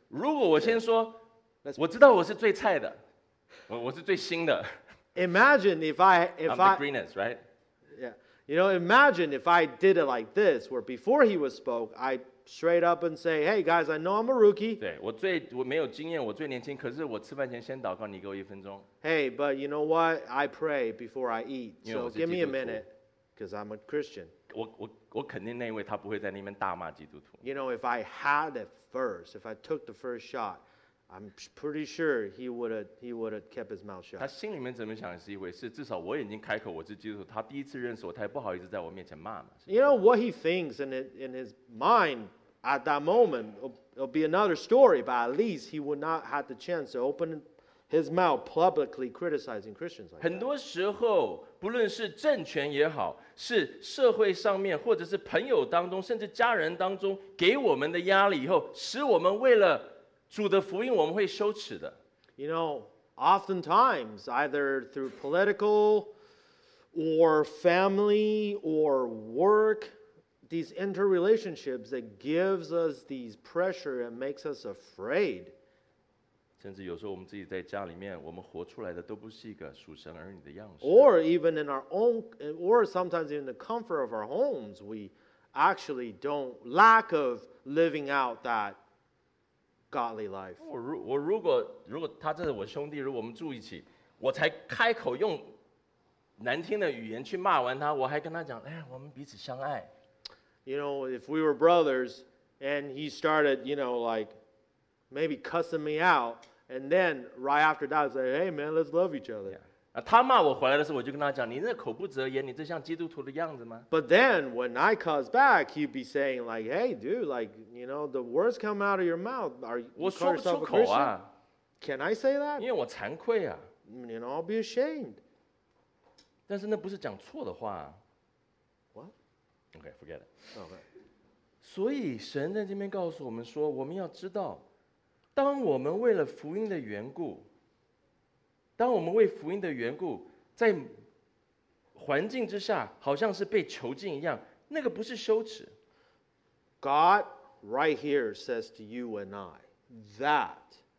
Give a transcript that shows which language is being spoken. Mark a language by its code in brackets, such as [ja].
[zh] 如果我先说，我知道我是最菜的，我是最新的。 [en] Imagine if I'm the greenest, right? Yeah. You know, imagine if I did it like this, where before he was spoke, I straight up and say, hey guys, I know I'm a rookie. [zh] 对，我没有经验，我最年轻，可是我吃饭前先祷告，你给我一分钟。 [en] Hey, but you know what? I pray before I eat. So give me a minute, because I'm a Christian. [zh] 我肯定那位他不会在那边大骂基督徒。 [en] You know, if I had it first, if I took the first shot,I'm pretty sure he would have kept his mouth shut. [zh] 他心里面怎么想是一回事，至少我已经开口，我是基督徒。他第一次认识我，他也不好意思在我面前骂嘛。 [en] You know what he thinks in his mind at that moment, it'll be another story. But at least he would not have the chance to open his mouth publicly criticizing Christians like that. [zh] 很多时候，不论是政权也好，是社会上面，或者是朋友当中，甚至家人当中给我们的压力，以后使我们为了主的福音我们会羞耻的。 [en] You know, oftentimes, either through political or family or work, these interrelationships that gives us these pressure and makes us afraid. [zh] 甚至有时候我们自己在家里面，我们活出来的都不是一个属神儿女的样式。 [en] Or even in our own, or sometimes in the comfort of our homes, we actually don't lack of living out that. Godly life. [zh] 我如果他这是我兄弟，如果我们住一起，我才开口用难听的语言去骂完他，我还跟他讲，哎，我们彼此相爱。 [en] You know, if we were brothers, and he started, you know, like maybe cussing me out, and then right after that, say, hey man, let's love each other. Yeah. [zh] 他骂我回来的时候，我就跟他讲，你这口不择言，你这像基督徒的样子吗 [en] ？But then when I cuss back, he'd be saying like, hey dude, like. You know, the words come out of your mouth. Are you call yourself a Christian? Can I say that? [zh] 因为我惭愧啊。 [en] You know, I'll be ashamed. [zh] 但是那不是讲错的话。 [en] What? Okay, forget it. Okay. [zh] 所以神在这边告诉我们说，我们要知道，当我们为了福音的缘故，当我们为福音的缘故，在环境之下，好像是被囚禁一样，那个不是羞耻。 [en] God. Right here says to you and I that.